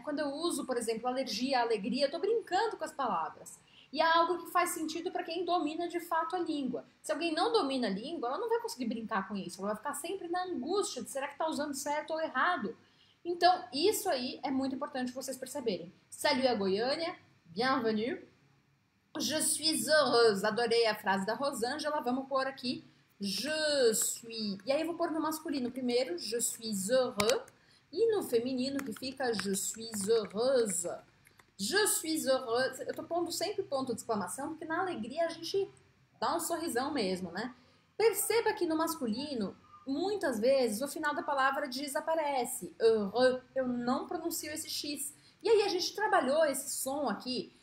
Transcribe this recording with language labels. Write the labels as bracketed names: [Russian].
[Portuguese] Quando eu uso, por exemplo, alergia, alegria, eu tô brincando com as palavras. E é algo que faz sentido para quem domina de fato a língua. Se alguém não domina a língua, ela não vai conseguir brincar com isso, ela vai ficar sempre na angústia de será que tá usando certo ou errado. Então, isso aí é muito importante vocês perceberem. [French] Salut à Goiânia, bienvenue. Je suis heureuse. [Portuguese] Adorei a frase da Rosângela, vamos pôr aqui. [French] Je suis. [Portuguese] E aí eu vou pôr no masculino primeiro, [French] je suis heureux. [Portuguese] E no feminino que fica, [French] je suis heureuse. Je suis heureuse. [Portuguese] Eu tô pondo sempre ponto de exclamação, porque na alegria a gente dá um sorrisão mesmo, né? Perceba que no masculino, muitas vezes, o final da palavra desaparece. Heureux. Eu não pronuncio esse X. E aí a gente trabalhou esse som aqui.